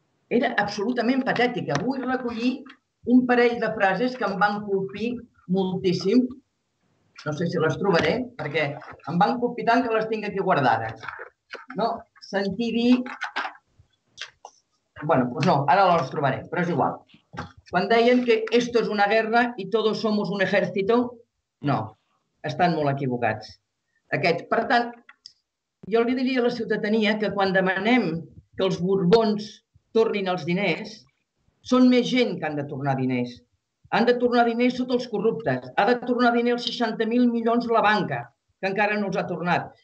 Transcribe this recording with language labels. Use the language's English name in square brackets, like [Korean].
[Catalan] Era absolutament patètica. Vull recollir un parell de frases que em van colpir moltíssim. No sé si les trobaré, perquè em van colpir tant que les tinc aquí guardades. No, sentir dir... [Spanish] Bueno, pues no, [Catalan] ara les trobaré, però és igual. Quan deien que [Spanish] esto es una guerra y todos somos un ejército, [Catalan] no, estan molt equivocats. Aquest. Per tant, jo li diria a la ciutadania que quan demanem que els Borbons tornin els diners, són més gent que han de tornar diners. Han de tornar diners sota els corruptes. Ha de tornar diners els 60.000 milions la banca, que encara no els ha tornat.